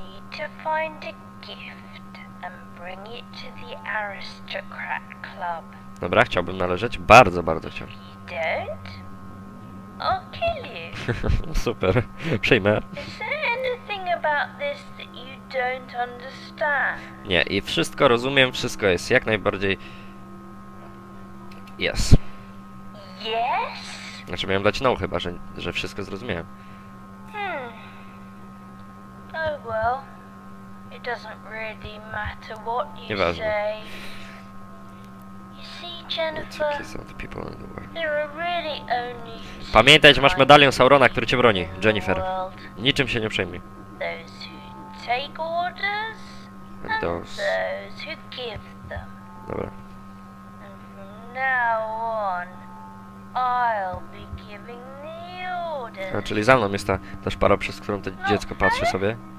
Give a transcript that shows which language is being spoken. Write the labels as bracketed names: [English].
[English] To find a gift and bring it to the aristocrat club. [Polish] Dobra, chciałbym należeć. Bardzo, bardzo chciałbym. [English] If you don't, I'll kill you. [Polish] Super, przyjmę. [English] Is there anything about this that you don't understand? [Polish] Nie, i wszystko rozumiem, wszystko jest jak najbardziej. [English] Yes. Yes? [Polish] Znaczy miałem dać no, chyba, że wszystko zrozumiałem. [English] Oh well. It doesn't really matter what you say. You see, Jennifer, there are really only two. [Polish] Pamiętaj, że masz medalion Saurona, który cię broni, Jennifer. Niczym się nie przejmij. [English] Those who take orders and those who give them. [Polish] Dobra. [English] And from now on, I'll be giving the orders. [Polish] A czyli za mną jest ta szpara, przez którą to dziecko patrzy sobie.